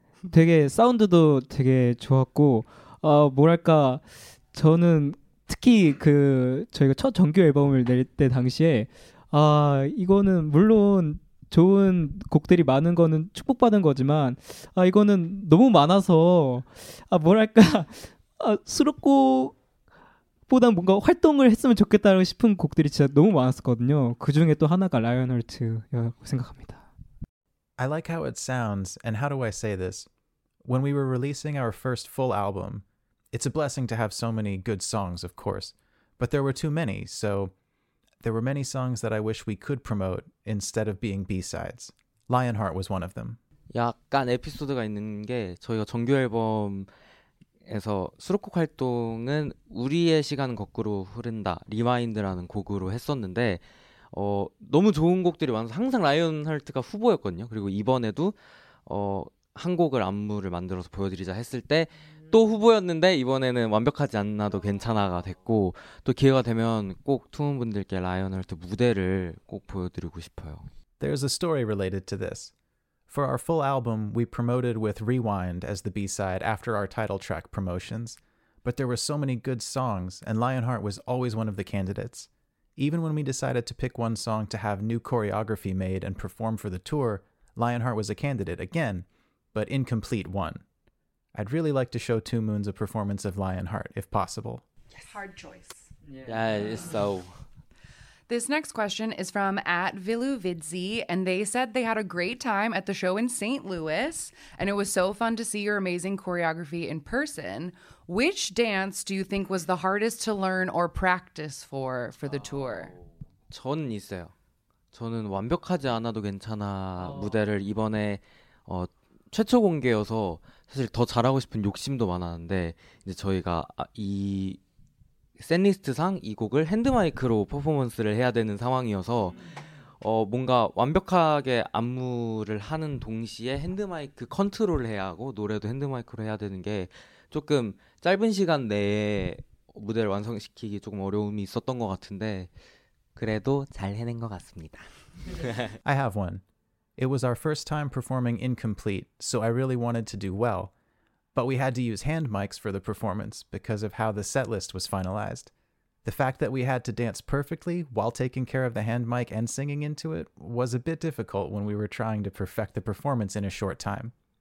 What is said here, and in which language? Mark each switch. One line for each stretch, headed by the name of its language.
Korean: 되게 사운드도 되게 좋았고 뭐랄까 저는 특히 그 저희가 첫 정규 앨범을 낼 때 당시에 아 이거는 물론 좋은 곡들이 많은 거는 축복받은 거지만 아 이거는 너무 많아서 아 뭐랄까 아 수록곡보다 뭔가 활동을 했으면 좋겠다 싶은 곡들이 진짜 너무 많았었거든요. 그 중에 또 하나가 라이언홀트라고 생각합니다.
English: I like how it sounds, and how do I say this? When we were releasing our first full album, it's a blessing to have so many good songs, of course, but there were too many, so there were many songs that I wish we could promote instead of being B-sides. Lionheart was one of them.
Korean: 약간 에피소드가 있는 게 저희가 정규 앨범에서 수록곡 활동은 우리의 시간 거꾸로 흐른다, Rewind라는 곡으로 했었는데 너무 좋은 곡들이 많아서 항상 라이언하트가 후보였거든요. 그리고 이번에도 한 곡을 안무를 만들어서 보여드리자 했을 때 또 후보였는데 이번에는 완벽하지 않나도 괜찮아가 됐고 또 기회가 되면 꼭 투은 분들께 라이언하트 무대를 꼭 보여드리고 싶어요.
English: There's a story related to this. For our full album, we promoted with Rewind as the B-side after our title track promotions. But there were so many good songs and Lionheart was always one of the candidates. Even when we decided to pick one song to have new choreography made and perform for the tour, Lionheart was a candidate again, but incomplete one. I'd really like to show Two Moons a performance of Lionheart, if possible. Yes. Hard choice. Yeah, it is so. This next question is from at @viluvidzi, and they said they had a great time at the show in St. Louis, and it was so fun to see your amazing choreography in person. Which dance do you think was the hardest to learn or practice for the tour?
Korean: 저는 있어요. 저는 완벽하지 않아도 괜찮아 무대를 이번에 최초 공개여서 사실 더 잘하고 싶은 욕심도 많았는데 이제 저희가 이 샌리스트상 이 곡을 핸드마이크로 퍼포먼스를 해야 되는 상황이어서 뭔가 완벽하게 안무를 하는 동시에 핸드마이크 컨트롤을 해야 하고 노래도 핸드마이크로 해야 되는 게 조금 짧은 시간 내에 무대를 완성시키기 조금 어려움이 있었던 것 같은데 그래도 잘 해낸 것 같습니다.
English: I have one. It was our first time performing incomplete, so I really wanted to do well. But we had to use hand mics for the performance because of how the set list was finalized. The fact that we had to dance perfectly while taking care of the hand mic and singing into it was a bit difficult when we were trying to perfect the performance in a short time.